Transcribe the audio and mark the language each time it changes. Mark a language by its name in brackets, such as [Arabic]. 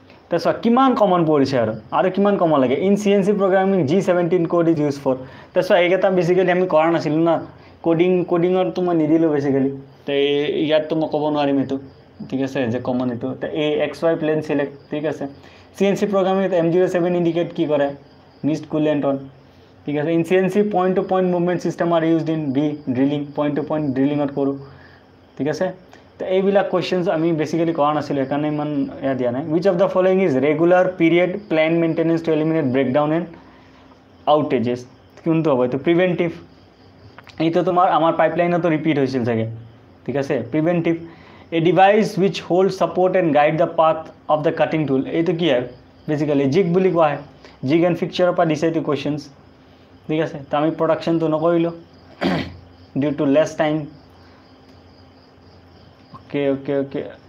[Assamese] তো চোৱা কিমান কমন পৰিছে আৰু, আৰু কিমান কমন লাগে, [English] in C N C programming G 17 code is use for, [Assamese] তো চোৱা এইকেইটা বেচিকেলি আমি কৰা নাছিলোঁ না, কোডিং, কোডিঙৰ তো মই নিদিলোঁ বেচিকেলি, তো ইয়াততো মই ক'ব নোৱাৰিম এইটো ঠিক আছে, যে কমন এইটো, তো এই এক্স ৱাই প্লেন চিলেক্ট ঠিক আছে, [English] C N C programming M 07 indicate [Assamese] কি কৰে, মিষ্ট কুলেণ্টন ঠিক আছে, [English] in C N C point to point movement system are use in be drilling, [Assamese] point two point ড্ৰিলিঙত কৰোঁ ঠিক আছে, তো এইবিলাক কুৱেশ্যনছ আমি বেচিকেলি কৰা নাছিলোঁ, সেইকাৰণে ইমান ইয়াত দিয়া নাই। [English] which of the following is regular period plan maintenance to eliminate breakdown and outages, [Assamese] কোনটো হ'ব, এইটো প্ৰিভেণ্টিভ, এইটো তোমাৰ আমাৰ পাইপলাইনতো ৰিপিট হৈছিল চাগে, ঠিক আছে, preventive, [English] a device which hold support and guide the path of the cutting tool, [Assamese] এইটো কি হয় বেচিকেলি, জিগ বুলি কোৱা হয়, জিগ এণ্ড ফিক্সাৰৰ পৰা দিছে এইটো কুৱেশ্যনছ, ঠিক আছে, তো আমি প্ৰডাকশ্যনটো নকৰিলোঁ [English] due to less time, [Assamese] okay okay okay,